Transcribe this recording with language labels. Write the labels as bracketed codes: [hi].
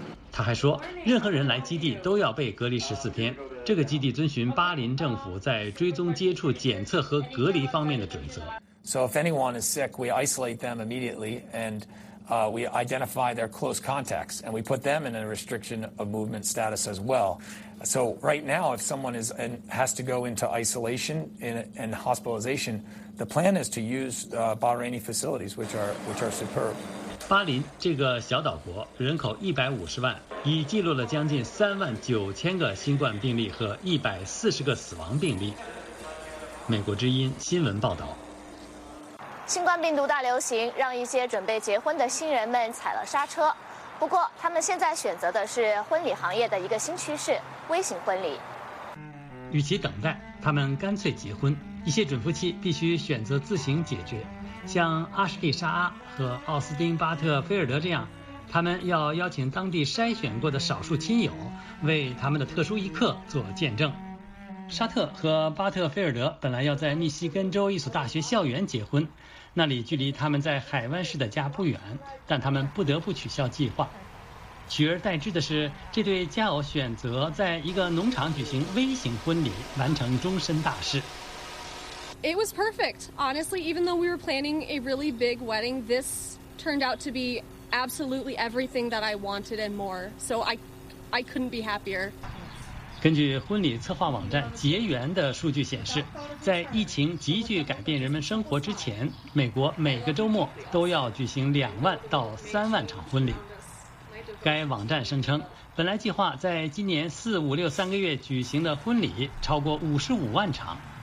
[zh] 他还说，任何人来基地都要被隔离14天。这个基地遵循巴林政府在追踪接触、检测和隔离方面的准则。 [en] So if anyone is sick, we isolate them immediately and we identify their close contacts and we put them in a restriction of movement status as well. So right now, if someone is and has to go into isolation and hospitalization, the plan is to use Bahraini facilities, which are superb. [zh] 巴林这个小岛国人口150万，已记录了将近39000个新冠病例和140个死亡病例。美国之音新闻报道。新冠病毒大流行让一些准备结婚的新人们踩了刹车。不过他们现在选择的是婚礼行业的一个新趋势，微型婚礼。与其等待，他们干脆结婚。一些准夫妻必须选择自行解决，像阿什利·沙阿和奥斯丁·巴特菲尔德这样，他们要邀请当地筛选过的少数亲友为他们的特殊一刻做见证。沙特和巴特菲尔德本来要在密西根州一所大学校园结婚，那里距离他们在海湾市的家不远，但他们不得不取消计划。取而代之的是，这对佳偶选择在一个农场举行微型婚礼，完成终身大事。 [en] It was perfect. Honestly, even though we were planning a really big wedding, this turned out to be absolutely everything that I wanted and more. So I couldn't be happier. [zh] 根据婚礼策划网站结缘的数据显示，在疫情急剧改变人们生活之前，美国每个周末都要举行2万到3万场婚礼。该网站声称，本来计划在今年4、5、6、3个月举行的婚礼超过55万场。